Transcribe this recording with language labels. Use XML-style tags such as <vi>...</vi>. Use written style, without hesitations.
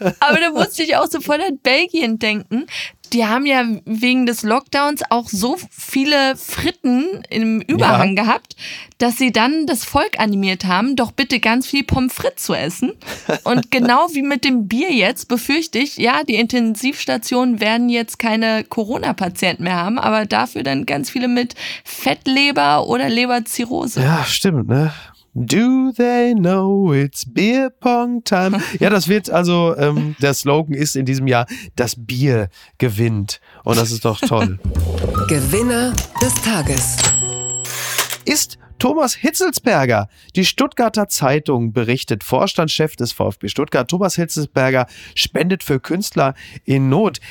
<de>Aber da musste ich auch sofort an Belgien denken. Die haben ja wegen des Lockdowns auch so viele Fritten im Überhang gehabt, dass sie dann das Volk animiert haben, doch bitte ganz viel Pommes frites zu essen. Und genau wie mit dem Bier jetzt befürchte ich, ja, die Intensivstationen werden jetzt keine Corona-Patienten mehr haben, aber dafür dann ganz viele mit Fettleber oder Leberzirrhose. Ja, stimmt, ne?</de> <en>Do they know it's beer pong time?</en> <de>Ja, das wird also, der Slogan ist in diesem Jahr, das Bier gewinnt. Und das ist doch toll. Gewinner des Tages. Ist Thomas Hitzlsperger. Die Stuttgarter Zeitung berichtet, Vorstandschef des VfB Stuttgart, Thomas Hitzlsperger, spendet für Künstler in Not.</de>